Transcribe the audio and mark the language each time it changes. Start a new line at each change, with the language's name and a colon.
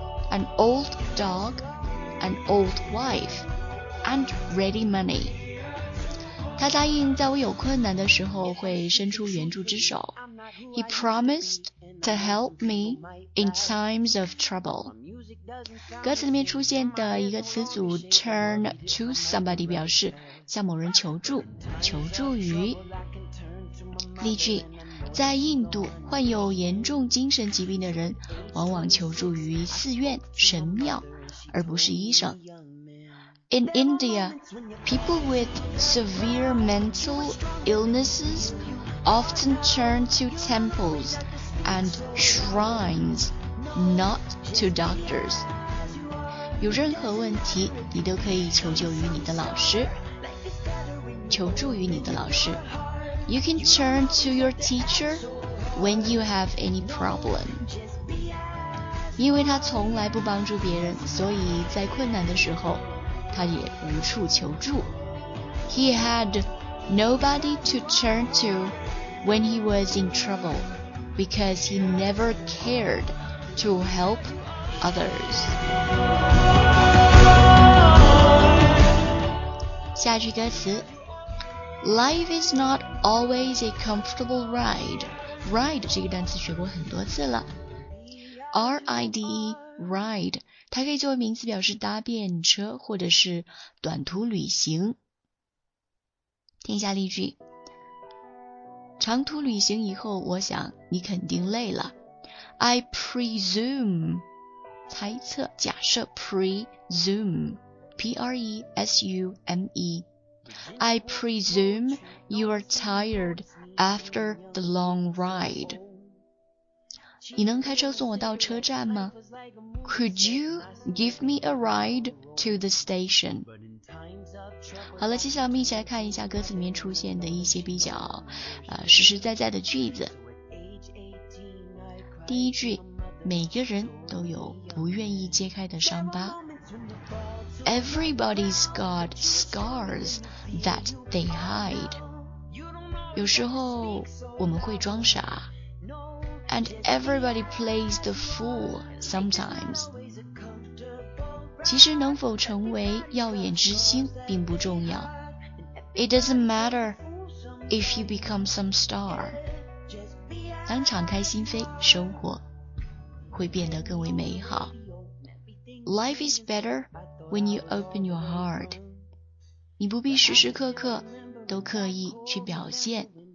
English: An old dog, an old wife, and ready money.
Chinese: 他答应在我有困难的时候会伸出援助之手。
English: He promised to help me in times of trouble.
Chinese: 歌词里面出现的一个词组 turn to somebody 表示向某人求助，求助于。例句，在印度，患有严重精神疾病的人往往求助于寺院、神庙，而不是医生。
English: In India, people with severe mental illnesses often turn to temples and shrines, not to doctors.
Chinese: 有任何问题，你都可以求救于你的老师，求助于你的老师。
English: You can turn to your teacher when you have any problem.
Chinese: 因为他从来不帮助别人，所以在困难的时候，他也无处求助。
English: He had nobody to turn to when he was in trouble because he never cared to help others.
Chinese: 下句歌词。
English: Life is not always a comfortable ride.
Chinese: Ride 这个单词学过很多次了。R-I-D-E, ride, 它可以作为名词表示搭便车或者是短途旅行。听一下例句。长途旅行以后，我想你肯定累了。
English: I presume,
Chinese: 猜测假设
English: presume, P-R-E-S-U-M-E,I presume you are tired after the long ride.
Chinese: 你能开车送我到车站吗？
English: Could you give me a ride to the station?
Chinese: 好了，接下来我们一起来看一下歌词里面出现的一些比较实实在在的句子。第一句，每个人都有不愿意揭开的伤疤。
English: Everybody's got scars that they hide.
Chinese: 有时候我们会装傻。
English: And everybody plays the fool sometimes.
Chinese: 其实能否成为耀眼之星并不重要。
English: It doesn't matter if you become some star.
Chinese: 当敞开心扉，生活会变得更为美好。
English: Life is better. When you open your heart,
Chinese: 你不必时时刻刻都刻意去表现。